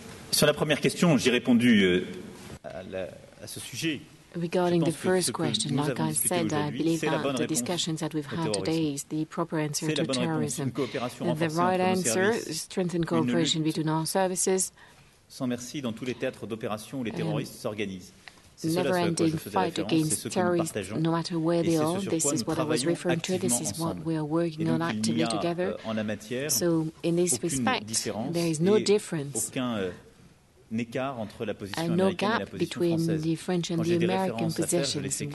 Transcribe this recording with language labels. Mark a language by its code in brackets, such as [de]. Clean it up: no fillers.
[fr] Sur la première question, j'ai répondu à ce sujet. [en] Regarding the first question, like I said, I believe that the discussions that we've had today is the proper answer to terrorism. The right answer, strengthen cooperation between our services. [fr] Sans merci dans tous les théâtres d'opérations où les terroristes s'organisent. [en] Never-ending fight against terrorists, no matter where they are. This is what I was referring to. This is what we are working on actively together. So, in this respect, there is no difference and no gap between the French and the American positions.